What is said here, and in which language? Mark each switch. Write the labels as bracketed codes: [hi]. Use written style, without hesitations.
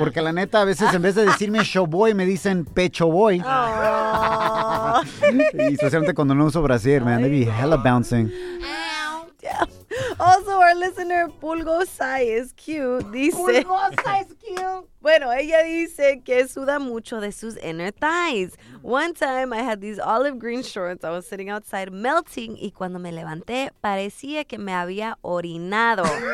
[es] Porque la neta, a veces, en vez de decirme show boy, me dicen pecho boy. Aww. Y especialmente cuando no uso brasier, man. [en] They be hella bouncing. Yeah. Also, our listener, Pulgo Sai, is cute. Dice, Pulgo Sai is cute. [es] Bueno, ella dice que suda mucho de sus [en] inner thighs. One time, I had these olive green shorts. I was sitting outside melting. [es] Y cuando me levanté, parecía que me había orinado.